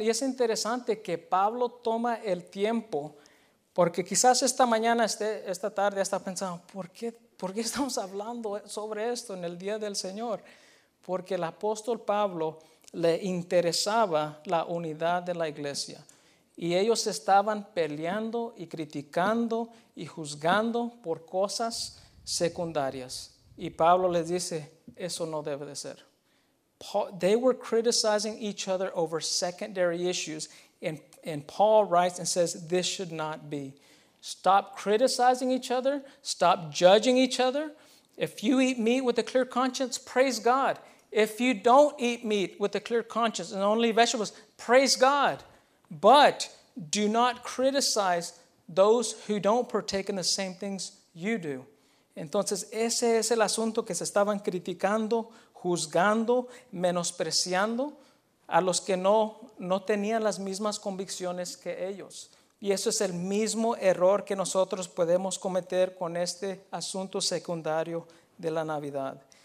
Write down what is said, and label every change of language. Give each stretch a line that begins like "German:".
Spanish: Y es interesante que Pablo toma el tiempo, porque quizás esta mañana, esta tarde, está pensando, ¿por qué estamos hablando sobre esto en el día del Señor? Porque el apóstol Pablo le interesaba la unidad de la iglesia. Y ellos estaban peleando y criticando y juzgando por cosas secundarias. Y Pablo les dice, eso no debe de ser.
English: They were criticizing each other over secondary issues. And Paul writes and says, this should not be. Stop criticizing each other. Stop judging each other. If you eat meat with a clear conscience, praise God. If you don't eat meat with a clear conscience and only vegetables, praise God. But do not criticize those who don't partake in the same things you do.
Spanish: Entonces, ese es el asunto que se estaban criticando, juzgando, menospreciando a los que no tenían las mismas convicciones que ellos. Y eso es el mismo error que nosotros podemos cometer con este asunto secundario de la Navidad.